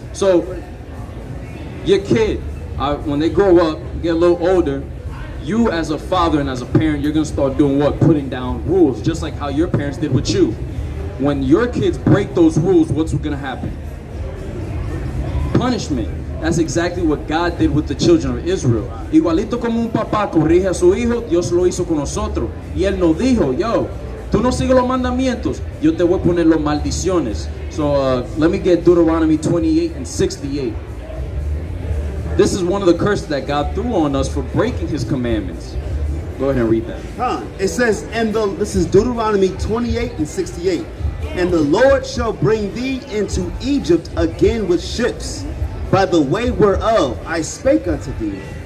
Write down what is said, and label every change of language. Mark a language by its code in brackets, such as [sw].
[en] So, your kid, when they grow up, get a little older, you as a father and as a parent, you're going to start doing what? Putting down rules, just like how your parents did with you. When your kids break those rules, what's going to happen? Punishment. That's exactly what God did with the children of Israel. [es] Igualito como un papá corrige a su hijo, Dios lo hizo con nosotros. Y él nos dijo, yo, tú no sigues los mandamientos, yo te voy a poner los maldiciones. [en] So let me get Deuteronomy 28 and 68. This is one of the curses that God threw on us for breaking his commandments. Go ahead and read that. It says, and the, this is Deuteronomy 28 and 68. And the Lord shall bring thee into Egypt again with ships, by the way whereof I spake unto thee.